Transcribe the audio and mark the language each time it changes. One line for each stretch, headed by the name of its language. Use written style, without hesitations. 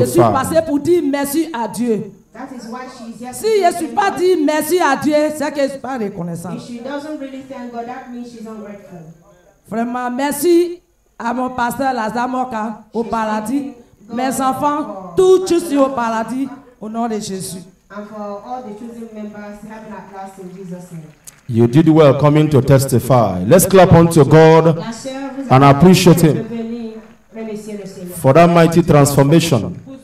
French: je suis passé pour dire merci à Dieu.
English: That is why she is here.
French: Si je ne suis pas dit merci à Dieu, c'est que je ne suis pas reconnaissant.
English: If she doesn't really thank God, that means she's ungrateful.
French: Vraiment, merci à mon pasteur Lazare Moka au paradis, mes enfants, tous tous au paradis, au nom de Jésus.
English: And for all the chosen members having a class in Jesus' name. You did well coming to testify. Let's clap unto God and appreciate Him for that mighty transformation.